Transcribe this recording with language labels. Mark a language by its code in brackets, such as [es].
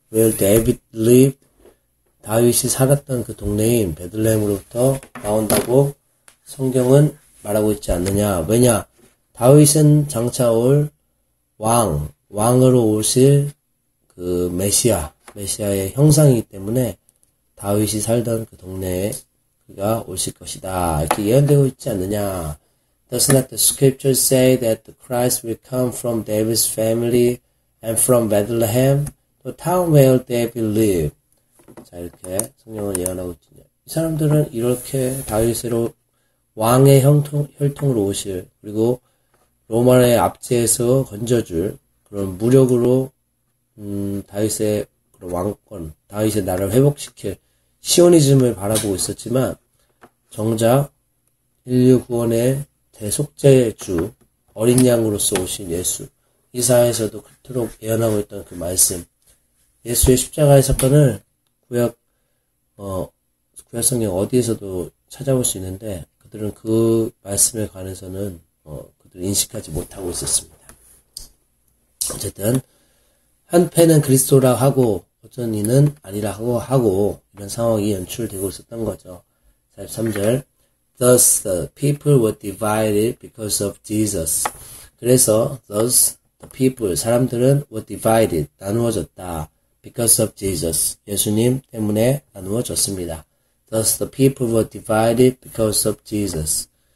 [en] Where David lived, [ko] 다윗이 살았던 그 동네인 베들레헴으로부터 나온다고 성경은 말하고 있지 않느냐? 왜냐? 다윗은 장차 올 왕, 왕으로 오실 그 메시아의 형상이기 때문에 다윗이 살던 그 동네에 그가 오실 것이다. 이렇게 예언되고 있지 않느냐? Does not the scripture say that the Christ will come from David's family and from Bethlehem, the town where David lived? 자, 이렇게 성경을 예언하고 있지. 이 사람들은 이렇게 다윗으로 왕의 혈통으로 오실, 그리고 로마의 압제에서 건져줄 그런 무력으로 다윗의 그런 왕권, 다윗의 나라를 회복시킬 시온이즘을 바라보고 있었지만, 정작 인류 구원의 대속죄의 주, 어린 양으로서 오신 예수, 이사야에서도 그토록 예언하고 있던 그 말씀, 예수의 십자가의 사건을 구약성경 어디에서도 찾아볼 수 있는데, 그들은 그 말씀에 관해서는 그들은 인식하지 못하고 있었습니다. 어쨌든 한 패는 그리스도라 하고 어쩐 이는 아니라고 하고 이런 상황이 연출되고 있었던 거죠. 43절. [en] Thus the people were divided because of Jesus. [ko] 그래서 [en] thus the people [ko] 사람들은 [en] were divided [ko] 나누어졌다. [en] Because of Jesus [ko] 예수님 때문에 나누어졌습니다. [en] Thus the people were divided because of Jesus.